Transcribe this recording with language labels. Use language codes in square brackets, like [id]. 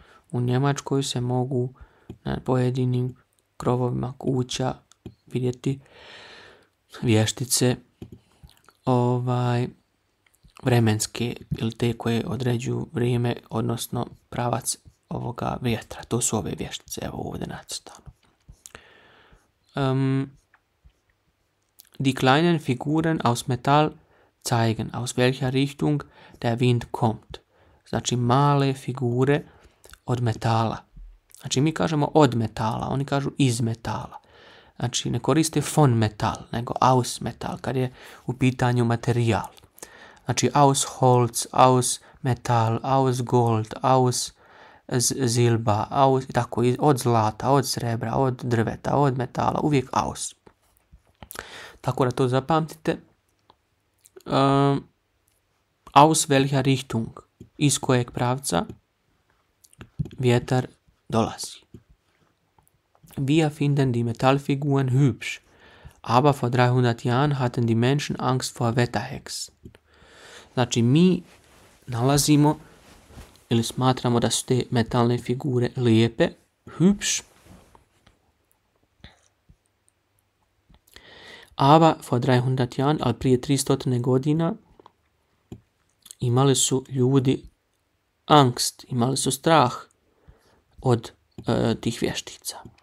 [bs] U Njemačkoj se mogu na pojedinim krovovima kuća vidjeti vještice vremenske ili te koje određuju vrijeme, odnosno pravac ovoga vjetra. To su ove vještice, evo ovdje nacrtano. [de] Die kleinen Figuren aus Metall zeigen, aus welcher Richtung der Wind kommt. [bs] Znači, male figure od metala. Znači, mi kažemo od metala, oni kažu iz metala. Znači, ne koriste [de] von metal, [bs] nego [de] aus metal, [bs] kad je u pitanju materijal. Znači, [de] aus Holz, aus metal, aus gold, aus zilba, aus, [bs] tako, od zlata, od srebra, od drveta, od metala, uvijek aus. Tako da to zapamtite. [de] Aus welcher Richtung, [bs] iz kojeg pravca vjetar dolazi. [de] Wir finden die Metallfiguren hübsch, aber vor 300 Jahren hatten die Menschen Angst vor Wetterhex. [bs] Znači, mi nalazimo ili smatramo da su te metalne figure lijepe, [de] hübsch, aber vor 300 Jahren, [bs] ali prije 300 godina, imali su ljudi [de] angst, [bs] imali su strah od tih vještica.